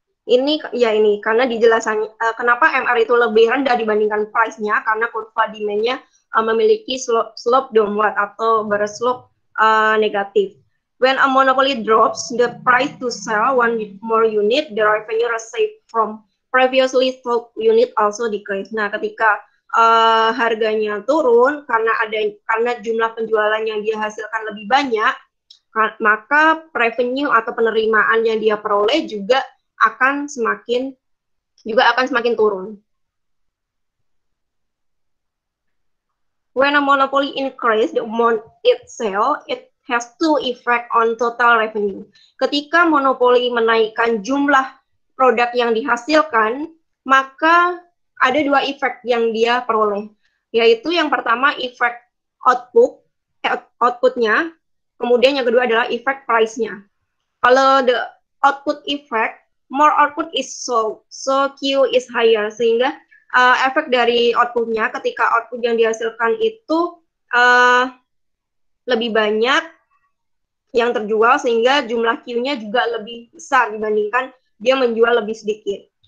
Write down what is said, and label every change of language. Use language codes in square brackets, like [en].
[id] Ini ya ini karena dijelasannya kenapa MR itu lebih rendah dibandingkan price-nya, karena kurva demand-nya memiliki slope downward atau berslope negatif. [en] When a monopoly drops, the price to sell one more unit, the revenue received from previously sold unit also decrease. [id] Nah, ketika harganya turun karena jumlah penjualan yang dia hasilkan lebih banyak, maka revenue atau penerimaan yang dia peroleh juga akan semakin turun. [en] When a monopoly increase the amount it sell, it has two effect on total revenue. [id] Ketika monopoli menaikkan jumlah produk yang dihasilkan, maka ada dua efek yang dia peroleh, yaitu yang pertama efek outputnya, kemudian yang kedua adalah efek price-nya. Kalau [en] the output effect, more output is sold, so Q is higher, [id] sehingga efek dari outputnya, ketika output yang dihasilkan itu lebih banyak yang terjual, sehingga jumlah Q-nya juga lebih besar dibandingkan dia menjual lebih sedikit.